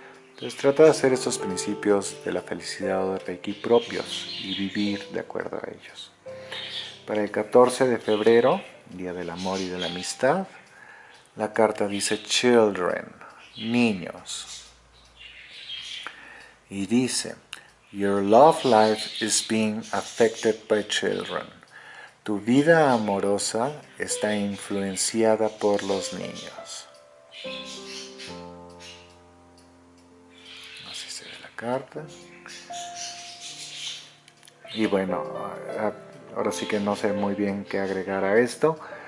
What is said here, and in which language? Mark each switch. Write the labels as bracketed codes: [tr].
[es] Entonces trata de hacer estos principios de la felicidad o de Reiki propios y vivir de acuerdo a ellos. Para el 14 de febrero, Día del Amor y de la Amistad, la carta dice Children, niños. Y dice, [en] Your love life is being affected by children. [es] Tu vida amorosa está influenciada por los niños. Así se ve la carta. Y bueno, ahora sí que no sé muy bien qué agregar a esto.